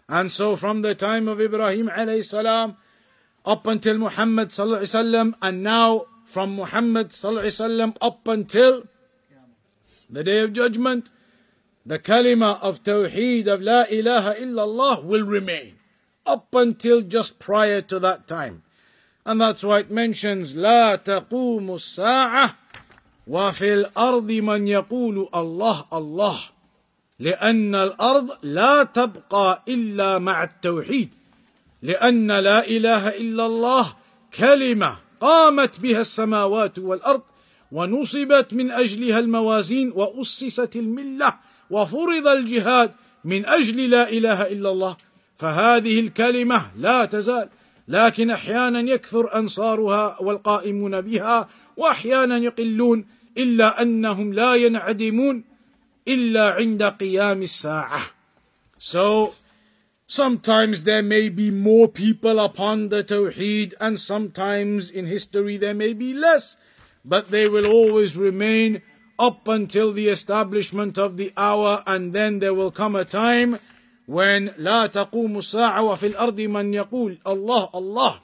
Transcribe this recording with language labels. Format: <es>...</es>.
<en>And so from the time of Ibrahim alayhi salam, up until Muhammad sallallahu alayhi wa sallam, and now from Muhammad sallallahu alayhi wa sallam, up until the Day of Judgment, the kalima of Tawheed of La ilaha illallah will remain up until just prior to that time. And that's why it mentions,</en> <ar>لا تقوم الساعة وفي الأرض من يقول الله الله لأن الأرض لا تبقى إلا مع التوحيد لأن لا إله إلا الله كلمة قامت بها السماوات والأرض ونصبت من أجلها الموازين وأسست الملة وفرض الجهاد من أجل لا إله إلا الله فهذه الكلمة لا تزال لكن أحيانا يكثر أنصارها والقائمون بها وأحيانا يقلون إلا أنهم لا ينعدمون إلا عند قيام الساعة.</ar> <en>So sometimes there may be more people upon the Tawheed, and sometimes in history there may be less, but they will always remain up until the establishment of the hour, and then there will come a time when</en> <ar>لا تقوم الساعة وفي الأرض من يقول الله الله.</ar>